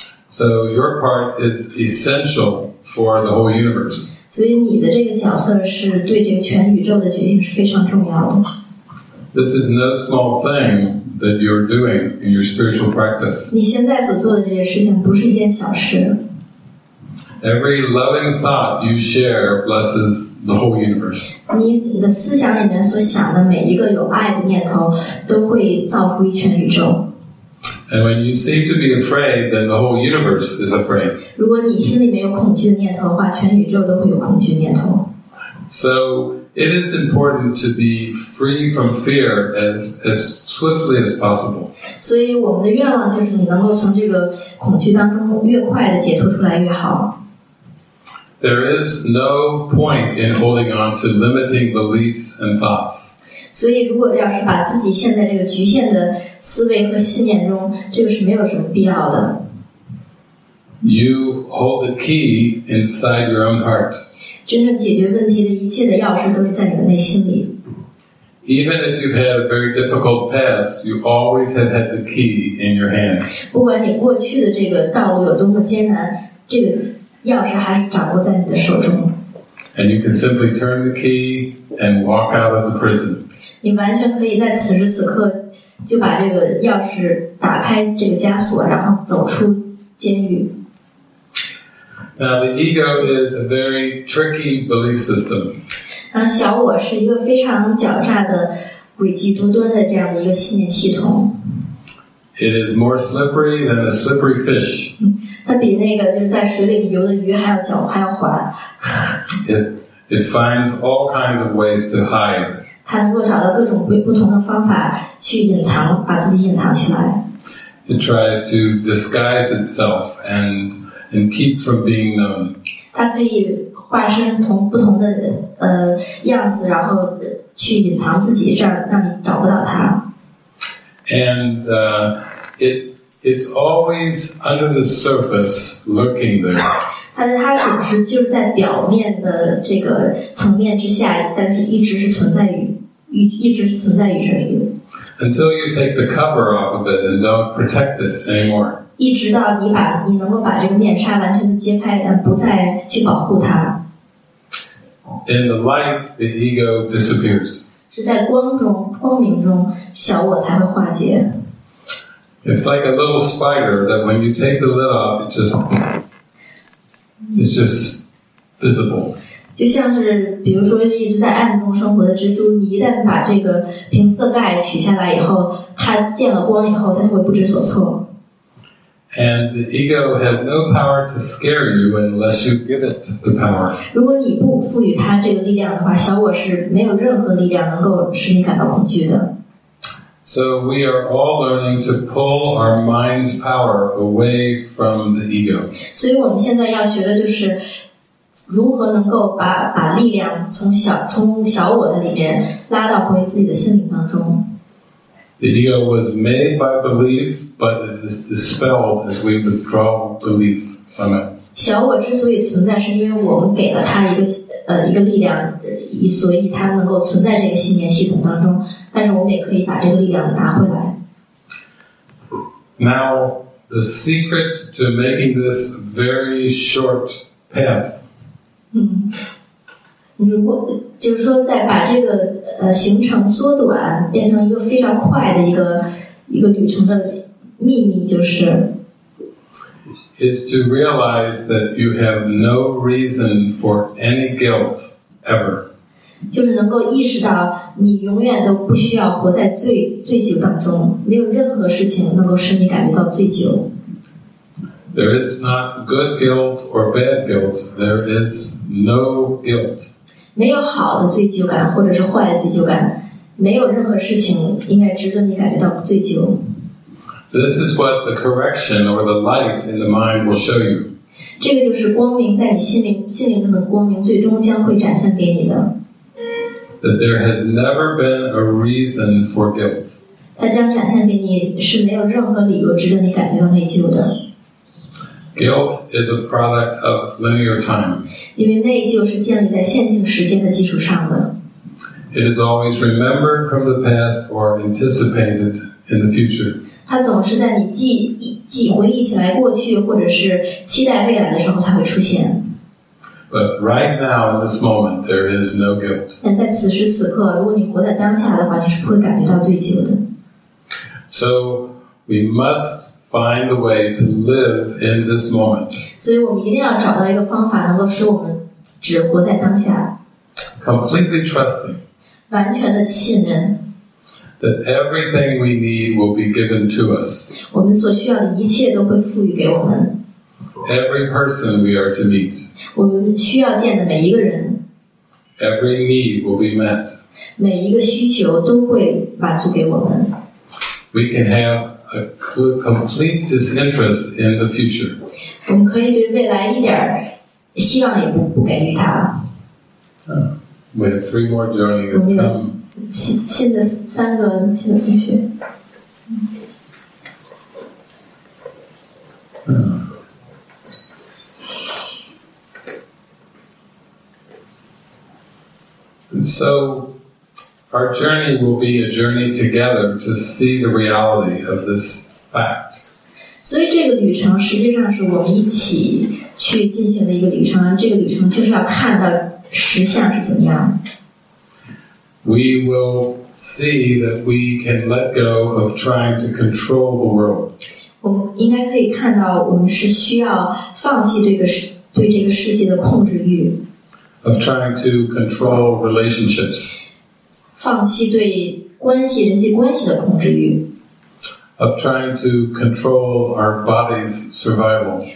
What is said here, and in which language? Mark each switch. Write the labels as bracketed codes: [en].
[en] So your part is essential for the whole universe. [zh] 所以你的这个角色是对这个全宇宙的决定是非常重要的。 [en] This is no small thing that you're doing in your spiritual practice. [zh] 你现在所做的这些事情不是一件小事。 [en] Every loving thought you share blesses the whole universe. [zh] 你的思想里面所想的每一个有爱的念头都会造福于全宇宙。 [en] And when you seem to be afraid, then the whole universe is afraid. [zh] 如果你心里面有恐惧的念头的话，全宇宜宙都会有恐惧的念头。 [en] So it is important to be free from fear as swiftly as possible. [zh] 所以我们的愿望就是你能够从这个恐惧当中越快地解脱出来越好。 [en] There is no point in holding on to limiting beliefs and thoughts. [zh] 所以如果要是把自己陷在这个局限的思维和信念中，这个是没有什么必要的。 [en] You hold the key inside your own heart. [zh] 真正解决问题的一切的钥匙都是在你的内心里。 [en] Even if you've had a very difficult past, you always have had the key in your hand. [zh] 不管你过去的这个道路有多么艰难，这个钥匙还是掌握在你的手中。 [en] And you can simply turn the key and walk out of the prison. [zh] 你完全可以在此时此刻就把这个钥匙打开这个枷锁，然后走出监狱。 [en] Now the ego is a very tricky belief system. [zh] 那小我是一个非常狡诈的、诡计多端的这样的一个信念系统。 [en] It is more slippery than a slippery fish. [zh] 它比那个就是在水里游的鱼还要狡猾，还要滑。 [en] It finds all kinds of ways to hide. [zh] 它能够找到各种不同的方法去隐藏，把自己隐藏起来。 [en] It tries to disguise itself and keep from being known. [zh] 它可以化身同不同的样子，然后去隐藏自己，这样让你找不到它。 [en] And it's always under the surface lurking there. [zh] 它总是就在表面的这个层面之下，但是一直是存在于这里。 [en] Until you take the cover off of it and don't protect it anymore. [zh] 一直到你能够把这个面纱完全的揭开，不再去保护它。 [en] In the light, the ego disappears. [zh] 是在光明中小我才会化解。 [en] It's like a little spider that when you take the lid off, it's just visible. [zh] 就像是比如说一直在暗中生活的蜘蛛，你一旦把这个瓶色盖取下来以后，它见了光以后，它就会不知所措。 [en] And the ego has no power to scare you unless you give it the power. [zh] 如果你不赋予它这个力量的话，小我是没有任何力量能够使你感到恐惧的。 [en] So we are all learning to pull our mind's power away from the ego. [zh] 所以我们现在要学的就是如何能够把力量从小我的里面拉到回自己的心灵当中。 [en] The ego was made by belief, but it is dispelled as we withdraw belief from it. [zh] 小我之所以存在，是因为我们给了它一个力量，所以它能够存在这个信念系统当中。但是我们也可以把这个力量拿回来。 [en] Now, the secret to making this very short path. [zh] 如果就是说，在把这个行程缩短，变成一个非常快的一个旅程的秘密，就是 [en] ，is to realize that you have no reason for any guilt ever. [zh] 就是能够意识到，你永远都不需要活在罪疚当中，没有任何事情能够使你感觉到罪疚。 [en] There is not good guilt or bad guilt. There is no guilt. [zh] 没有好的罪疚感，或者是坏的罪疚感，没有任何事情应该值得你感觉到罪疚。 [en] This is what the correction or the light in the mind will show you. [zh] 这个就是光明在你心灵中的光明，最终将会展现给你的。 [en] That there has never been a reason for guilt. [zh] 它将展现给你是没有任何理由值得你感觉到内疚的。 [en] Guilt is a product of linear time. [zh] 因为内疚是建立在线性时间的基础上的。 [en] It is always remembered from the past or anticipated in the future. [zh] 它总是在你记回忆起来过去或者是期待未来的时候才会出现。 [en] But right now, in this moment, there is no guilt. [zh] 但在此时此刻，如果你活在当下的话，你是不会感觉到罪疚的。 [en] So we must. Find a way to live in this moment. [zh] 所以我们一定要找到一个方法，能够使我们只活在当下。 [en] Completely trusting. [zh] 完全的信任。 [en] That everything we need will be given to us. [zh] 我们所需要的一切都会赋予给我们。 [en] Every person we are to meet. [zh] 我们需要见的每一个人。 [en] Every need will be met. [zh] 每一个需求都会满足给我们。 [en] We can have. A complete disinterest in the future. [zh] 我们可以对未来一点希望也 不给予他了。 [en] We have three more journeys to come. [zh] 现在三个新的同学。 [en] So, our journey will be a journey together to see the reality of this fact. [zh] 所以这个旅程实际上是我们一起去进行的一个旅程，这个旅程就是要看到实相是怎么样。 [en] We will see that we can let go of trying to control the world. [zh] 我们应该可以看到我们是需要放弃对这个世界的控制欲。 [en] Of trying to control relationships. [zh] 放弃对关系人际关系的控制欲。 [en] Of trying to control our body's survival.